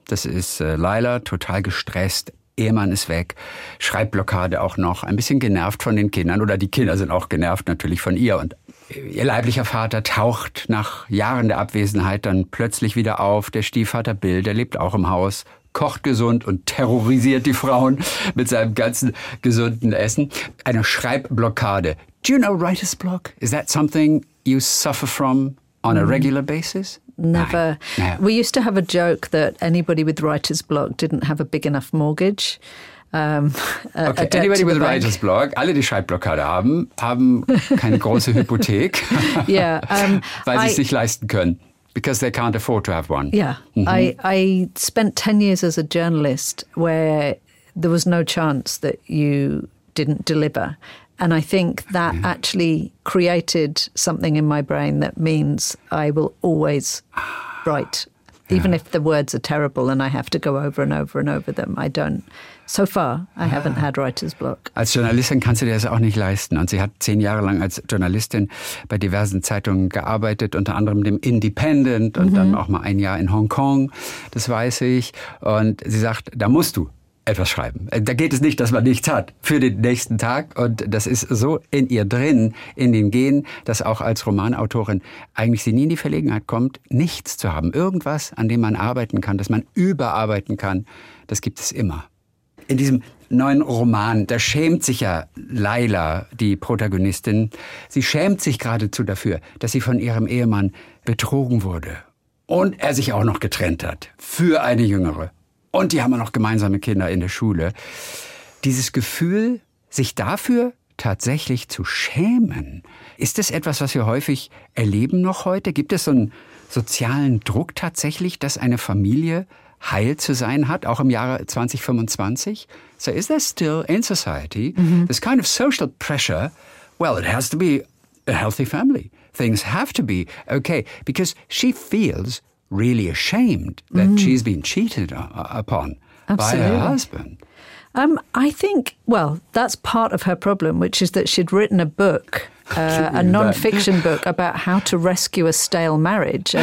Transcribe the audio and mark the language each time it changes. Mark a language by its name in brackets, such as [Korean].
[German] Das ist Lila, total gestresst, Ehemann ist weg, Schreibblockade auch noch, ein bisschen genervt von den Kindern oder die Kinder sind auch genervt natürlich von ihr. Und ihr leiblicher Vater taucht nach Jahren der Abwesenheit dann plötzlich wieder auf. Der Stiefvater Bill, der lebt auch im Haus, kocht gesund und terrorisiert die Frauen mit seinem ganzen gesunden Essen. Eine Schreibblockade. [English] Do you know writer's block? Is that something you suffer from on a regular basis? Never. No. We used to have a joke that anybody with writer's block didn't have a big enough mortgage. [German] Okay, [English] anybody with a writer's block, [German] alle, die Schreibblockade haben, haben keine große Hypothek, weil sie es nicht leisten können. [English] Because they can't afford to have one. Yeah. Mm-hmm. I spent 10 years as a journalist where there was no chance that you didn't deliver. And I think that actually created something in my brain that means I will always write. Even if the words are terrible and I have to go over and over and over them, I don't. So far, I haven't had writer's block. [German] Als Journalistin kannst du dir das auch nicht leisten. Und sie hat 10 Jahre lang als Journalistin bei diversen Zeitungen gearbeitet, unter anderem dem Independent und dann auch mal ein Jahr in Hongkong, das weiß ich. Und sie sagt, da musst du etwas schreiben. Da geht es nicht, dass man nichts hat für den nächsten Tag. Und das ist so in ihr drin, in den Genen, dass auch als Romanautorin eigentlich sie nie in die Verlegenheit kommt, nichts zu haben. Irgendwas, an dem man arbeiten kann, das man überarbeiten kann, das gibt es immer. In diesem neuen Roman, da schämt sich ja Laila, die Protagonistin. Sie schämt sich geradezu dafür, dass sie von ihrem Ehemann betrogen wurde. Und er sich auch noch getrennt hat für eine Jüngere. Und die haben auch noch gemeinsame Kinder in der Schule. Dieses Gefühl, sich dafür tatsächlich zu schämen, ist das etwas, was wir häufig erleben noch heute? Gibt es so einen sozialen Druck tatsächlich, dass eine Familie heil zu sein hat, auch im Jahre 2025? [English] So is there still in society this kind of social pressure? Well, it has to be a healthy family. Things have to be okay. Because she feels really ashamed that she's been cheated upon by her husband. I think, well, that's part of her problem, which is that she'd written a book, a non-fiction book about how to rescue a stale marriage.